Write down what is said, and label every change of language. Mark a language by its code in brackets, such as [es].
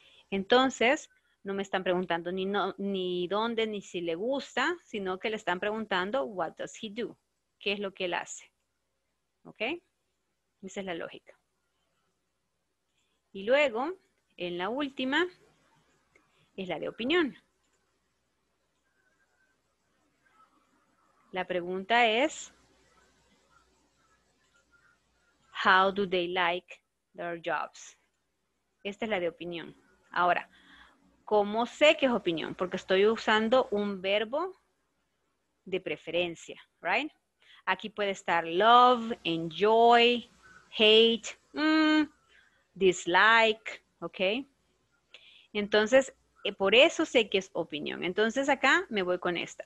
[es] Entonces, no me están preguntando ni dónde, ni si le gusta, sino que le están preguntando, what does he do? ¿Qué es lo que él hace? ¿Ok? Esa es la lógica. Y luego, en la última, es la de opinión. [en] La pregunta es, how do they like their jobs? [es] Esta es la de opinión. Ahora, ¿cómo sé que es opinión? Porque estoy usando un verbo de preferencia, right? Aquí puede estar love, enjoy, hate, dislike, ¿ok? Entonces, por eso sé que es opinión. Entonces, acá me voy con esta.